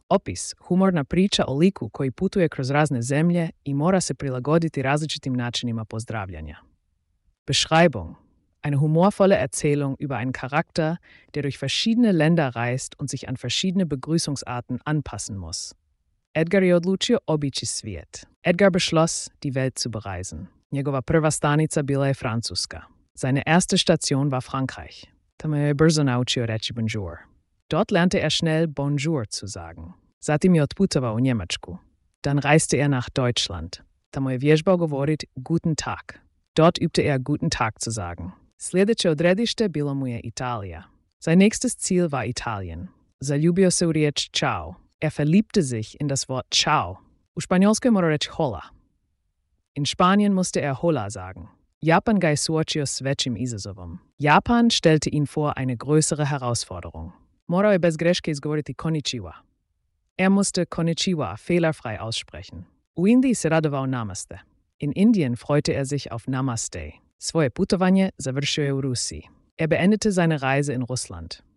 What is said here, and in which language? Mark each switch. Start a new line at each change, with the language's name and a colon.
Croatian: Opis, humorna priča o liku koji putuje kroz razne zemlje i mora se prilagoditi različitim načinima pozdravljanja.
German: Beschreibung, eine humorvolle Erzählung über einen Charakter, der durch verschiedene Länder reist und sich an verschiedene Begrüßungsarten anpassen muss.
Croatian: Edgar je odlučio obići svijet.
German: Edgar beschloss, die Welt zu bereisen.
Croatian: Njegova prva stanica bila je Francuska.
German: Seine erste Station war Frankreich.
Croatian: Tamo je brzo naučio reći bonjour.
German: Dort lernte er schnell bonjour zu sagen.
Croatian: Zatim je otputovao u Njemačku.
German: Dann reiste er nach Deutschland.
Croatian: Tamo je vježbao govorit guten Tag.
German: Dort übte er guten Tag zu sagen.
Croatian: Sljedeće odredište bilo mu je Italija.
German: Sein nächstes Ziel war Italien.
Croatian: Zaljubio se u riječ ciao.
German: Er verliebte sich in das Wort ciao.
Croatian: U Spanjolskoj mora reći hola.
German: In Spanien musste er hola sagen.
Croatian: Japan ga je suočio s većim izazovom.
German: Japan stellte ihn vor eine größere Herausforderung.
Croatian: Morao je bez greške izgovoriti konnichiwa.
German: Er musste konnichiwa fehlerfrei aussprechen.
Croatian: U Indiji se radovao namaste.
German: In Indien freute er sich auf namaste.
Croatian: Svoje putovanje završio je u Rusiji.
German: Er beendete seine Reise in Russland.